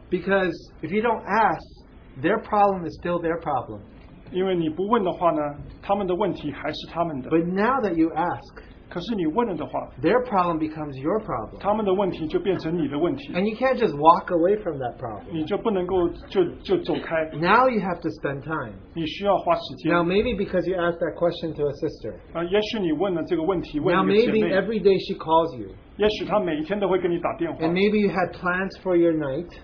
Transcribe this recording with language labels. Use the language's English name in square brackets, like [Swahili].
[English] Because if you don't ask, their problem is still their problem. [Chinese] 因为你不问的话呢，他们的问题还是他们的。 [English] But now that you ask, [Chinese] 可是你问了的话, [English] their problem becomes your problem. [Chinese] 他们的问题就变成你的问题。 [English] And you can't just walk away from that problem. [Chinese] 你就不能够就走开。 [English] Now you have to spend time. [Chinese] 你需要花时间。 [English] Now maybe because you asked that question to a sister. [Chinese] 也许你问了这个问题问一个姐妹。 [English] Now maybe every day she calls you. [Chinese] 也许她每一天都会跟你打电话。 [English] And maybe you had plans for your night.